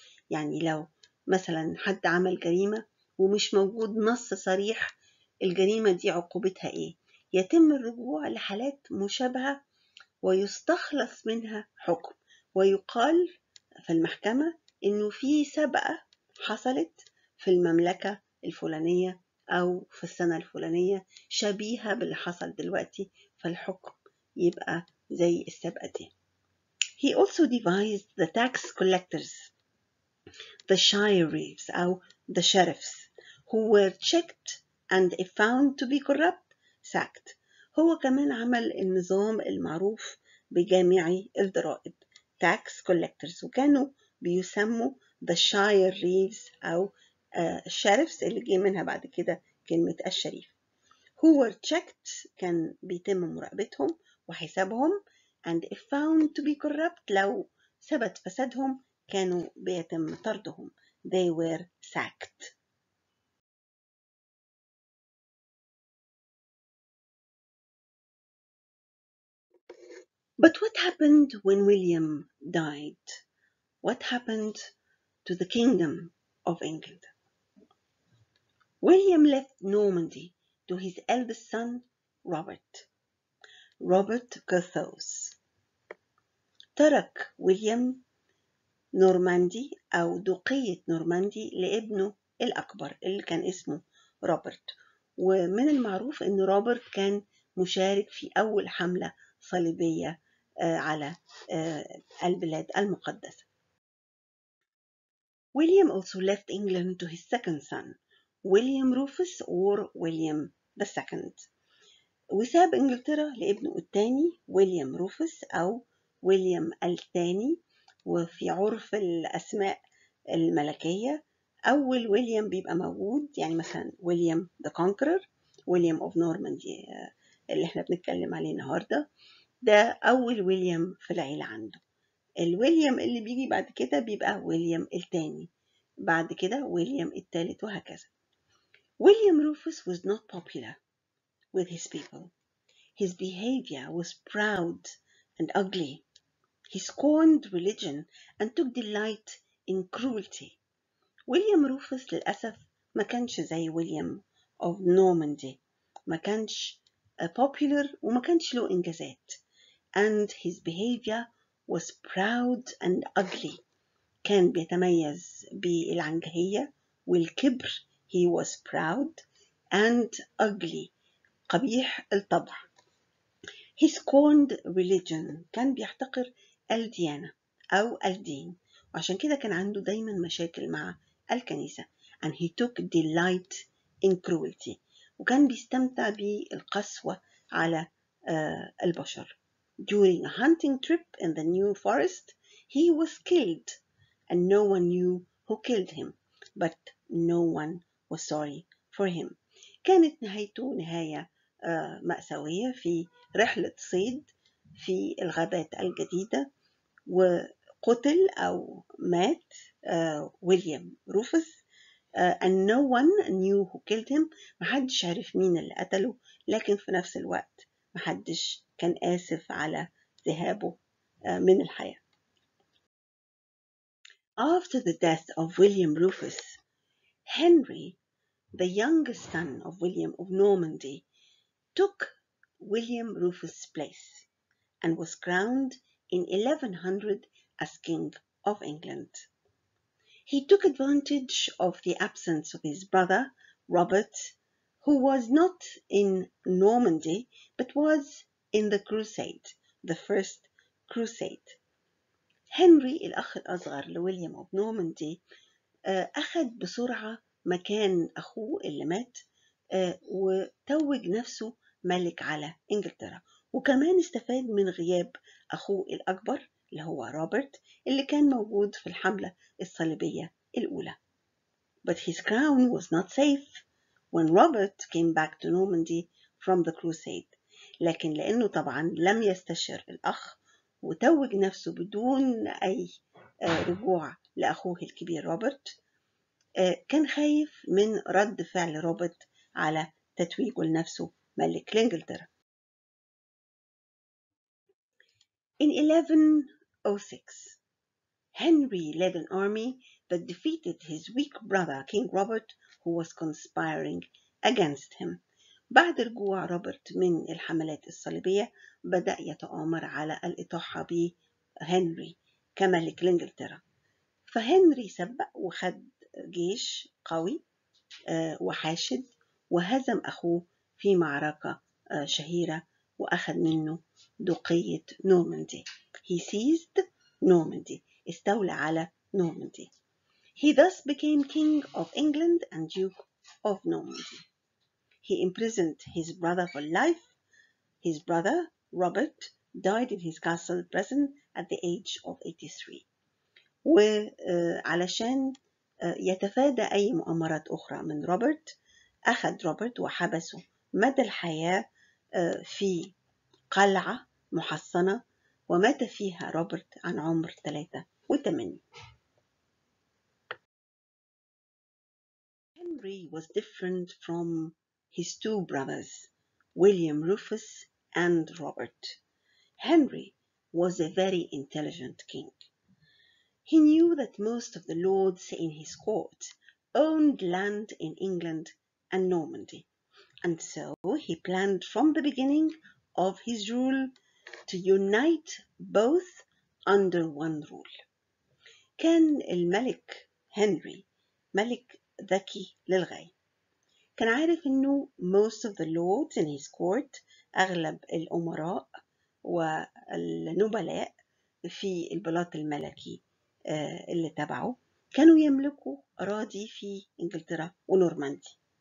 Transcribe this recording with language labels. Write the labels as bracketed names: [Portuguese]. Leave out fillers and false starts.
[Arabic] يعني لو مثلا حد عمل جريمة ومش موجود نص صريح الجريمة دي عقوبتها إيه يتم الرجوع لحالات مشابهة ويستخلص منها حكم ويقال في المحكمة إنه في سابقة حصلت في المملكة الفلانية أو في السنة الفلانية شبيهة باللي حصل دلوقتي، فالحكم يبقى زي السابقة دي. [English] He also devised the tax collectors, the shireves أو the sheriffs, who were checked and if found to be corrupt, sacked. [Arabic] هو كمان عمل النظام المعروف بجامعي الضرائب tax collectors، وكانوا بيسموا the shireves أو sheriffs اللي جي منها بعد كده كلمة الشريف. [English] Who were checked، [Arabic] كان بيتم مراقبتهم وحسابهم، [English] and if found to be corrupt، [Arabic] لو ثبت فسادهم كانوا بيتم طردهم، [English] they were sacked. But what happened when William died? What happened to the kingdom of England? William left Normandy to his eldest son, Robert Curthose. [Arabic] ترك ويليام نورماندي أو دوقية نورماندي لابنه الأكبر اللي كان اسمه روبرت، ومن المعروف أن روبرت كان مشارك في أول حملة صليبية على البلاد المقدسة. [English] William also left England to his second son, William Rufus or William the Second. [Arabic] وساب إنجلترا لابنه الثاني William Rufus أو ويليام الثاني، وفي عرف الأسماء الملكية أول ويليام بيبقى موجود، يعني مثلا ويليام the Conqueror، ويليام of Normandy اللي احنا بنتكلم عليه النهاردة، ده أول ويليام في العيلة عنده. الويليام اللي بيجي بعد كده بيبقى ويليام الثاني، بعد كده ويليام الثالث وهكذا. [English] William Rufus was not popular with his people. His behavior was proud and ugly. He scorned religion and took delight in cruelty. [Arabic] William Rufus للأسف ما كانش زي William of Normandy. ما كانش popular وما كانش له إنجازات. [English] And his behavior was proud and ugly. [Arabic] كان بيتميز بالعنجهية والكبر. [English] He was proud and ugly. [Arabic] قبيح الطبع. [English] He scorned religion. [Arabic] كان بيحتقر الديانة أو الدين. وعشان كده كان عنده دايما مشاكل مع الكنيسة. [English] And he took delight in cruelty. [Arabic] وكان بيستمتع بالقسوة على البشر. [English] During a hunting trip in the New Forest, he was killed. And no one knew who killed him. But no one was sorry for him. [Arabic] كانت نهايته نهاية مأساوية في رحلة صيد في الغابات الجديدة، وقتل أو مات ويليام روفس. [English] And no one knew who killed him. [Arabic] محدش عارف مين اللي قتله، لكن في نفس الوقت محدش كان آسف على ذهابه من الحياة. [English] After the death of William Rufus, Henry, the youngest son of William of Normandy, took William Rufus' place and was crowned in 1100 as King of England. He took advantage of the absence of his brother, Robert, who was not in Normandy but was in the Crusade, the First Crusade. [Arabic] Henry, الأخ الأصغر لويليام of Normandy, أخذ بسرعة مكان أخوه اللي مات وتوج نفسه ملك على إنجلترا، وكمان استفاد من غياب أخوه الأكبر اللي هو روبرت اللي كان موجود في الحملة الصليبية الأولى. [English] But his crown was not safe when Robert came back to Normandy from the Crusade. [Arabic] لكن لأنه طبعا لم يستشر الأخ وتوج نفسه بدون أي رجوع لأخوه الكبير روبرت، كان خايف من رد فعل روبرت على تتويجه لنفسه ملك لإنجلترا. [English] In 1106, Henry led an army that defeated his weak brother, King Robert, who was conspiring against him. [Arabic] بعد رجوع روبرت من الحملات الصليبية، بدأ يتآمر على الإطاحة بهنري كملك لإنجلترا. فهنري سبق وخد جيش قوي وحاشد وهزم أخوه في معركة شهيرة وأخذ منه دقية نورماندي. [English] He seized Normandy. [Arabic] استولى على نورماندي. [English] He thus became king of England and duke of Normandy. He imprisoned his brother for life. His brother, Robert, died in his castle prison at the age of 83. [Arabic] وعلشان يتفادى أي مؤامرات أخرى من روبرت، أخذ روبرت وحبسه مدى الحياة في قلعة محصنة ومات فيها روبرت عن عمر 83. [English] Henry was different from his two brothers, William Rufus and Robert. Henry was a very intelligent king. He knew that most of the lords in his court owned land in England and Normandy. And so he planned from the beginning of his rule to unite both under one rule. [Arabic] كان الملك هنري ملك ذكي للغاية. كان عارف انه [English] most of the lords in his court [Arabic] اغلب الامراء والنبلاء في البلاط الملكي اللي تبعه كانوا يملكوا أراضي في إنجلترا ونورماندي.